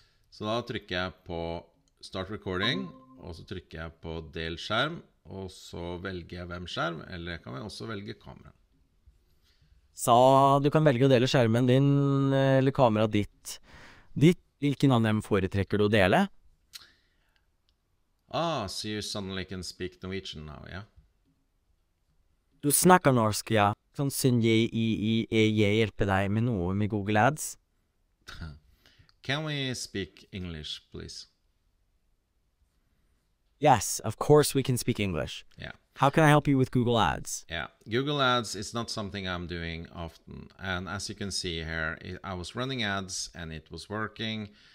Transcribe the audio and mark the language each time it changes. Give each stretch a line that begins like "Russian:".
Norwegian: Så da trykker jeg på Start Recording, og så trykker jeg på Del skjerm, og så velger jeg hvem skjerm, eller kan jeg også velge kamera. Så du kan velge å dele skjermen din eller kameraet ditt. Hvilken av dem foretrekker du å dele?
English: Ah, so you suddenly can speak Norwegian now, yeah?
Norwegian: Du snakker norsk, ja. Kan jeg hjelpe deg med noe med Google Ads?
English: Can we speak English, please? Yes, of course we can speak English. Yeah. How can I help you with Google Ads? Yeah, Google Ads is not something I'm doing often. And as you can see here, I was running ads and it was working.